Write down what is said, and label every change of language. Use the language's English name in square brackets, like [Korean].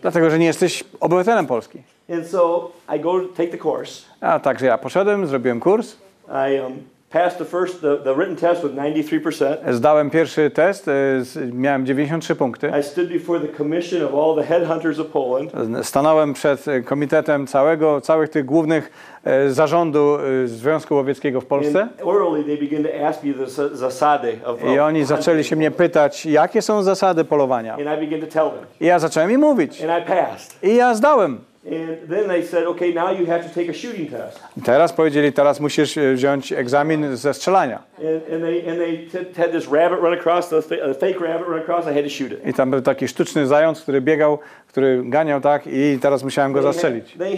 [Polish] Dlatego, że nie jesteś obywatelem Polski. [English] And so I go take the course. [Polish] A także ja poszedłem, zrobiłem kurs. [English] Passed the first the written test with 93%. [Polish] Zdałem pierwszy test, miałem 93 punkty. [English] I stood before the commission of all the headhunters of Poland. [Polish] Stanąłem przed komitetem całych tych głównych zarządu Związku Łowieckiego w Polsce. [English] Orally they begin to ask me the zasady of [Polish] i oni zaczęli się mnie pytać, jakie są zasady polowania. [English] And I began to tell them. [Polish] I ja zacząłem im mówić. [English] And I passed. [Polish] I ja zdałem. [English] And then they said, okay, now you have to take a shooting test. [Polish] Teraz powiedzieli, teraz musisz wziąć egzamin ze strzelania. [English] And they had this rabbit run across, the fake rabbit run across, I had to shoot it. [Polish] I tam był taki sztuczny zając, który biegał, który ganiał tak i teraz musiałem go zastrzelić.